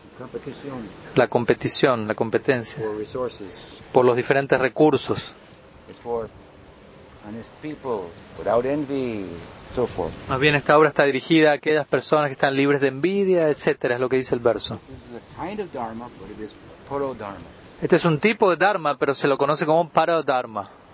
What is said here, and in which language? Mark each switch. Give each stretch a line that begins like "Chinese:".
Spanish: Competición. La competición, la competencia.
English: For resources.
Spanish: Por los diferentes recursos.
English: It's for honest people without envy. So forth.
Spanish: Más bien esta obra está dirigida a aquellas personas que están libres de envidia, etcétera, es lo que dice el verso.
English: Kind of dharma, but it is paro dharma.
Spanish: Este es un tipo de dharma, pero se lo conoce como paro dharma.